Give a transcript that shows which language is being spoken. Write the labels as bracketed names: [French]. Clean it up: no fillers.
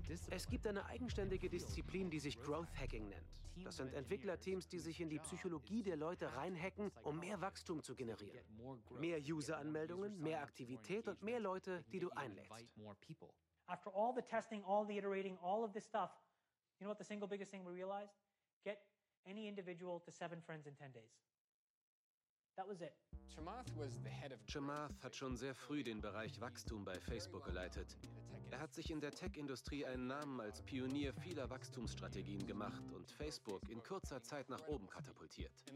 [German] Es gibt eine eigenständige Disziplin, die sich Growth Hacking nennt. Das sind Entwicklerteams, die sich in die Psychologie der Leute reinhacken, um mehr Wachstum zu generieren. Mehr User-Anmeldungen, mehr Aktivität und mehr Leute, die du einlädst. [English] After all the testing, all the iterating, all of this stuff, you know what the single biggest thing we realized? Get any individual to 7 friends in 10 days. That was it. [German] Chamath hat schon sehr früh den Bereich Wachstum bei Facebook geleitet. Er hat sich in der Tech-Industrie einen Namen als Pionier vieler Wachstumsstrategien gemacht und Facebook in kurzer Zeit nach oben katapultiert.